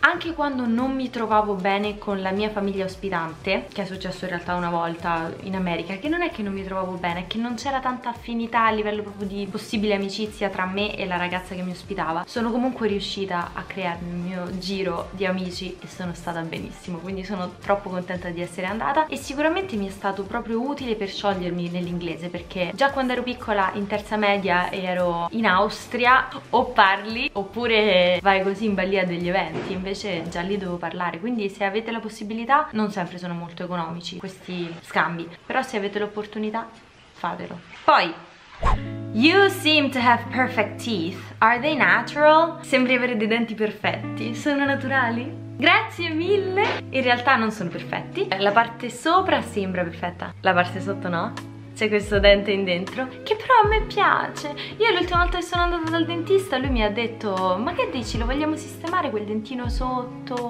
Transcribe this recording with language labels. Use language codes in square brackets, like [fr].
[it] Anche quando non mi trovavo bene con la mia famiglia ospitante, che è successo in realtà una volta in America, che non è che non mi trovavo bene, è che non c'era tanta affinità a livello proprio di possibile amicizia tra me e la ragazza che mi ospitava, sono comunque riuscita a crearmi il mio giro di amici e sono stata benissimo, quindi sono troppo contenta di essere andata e sicuramente mi è stato proprio utile per sciogliermi nell'inglese, perché già quando ero piccola in terza media e ero in Austria o parli oppure vai così in balia degli eventi, invece già lì devo parlare. Quindi se avete la possibilità, non sempre sono molto economici questi scambi, però se avete l'opportunità, fatelo. [en] Poi, you seem to have perfect teeth. Are they natural? [it] Sembri avere dei denti perfetti. Sono naturali? Grazie mille! In realtà non sono perfetti. La parte sopra sembra perfetta, la parte sotto no. C'è questo dente in dentro, che però a me piace. Io l'ultima volta che sono andata dal dentista, lui mi ha detto: ma che dici, lo vogliamo sistemare quel dentino sotto?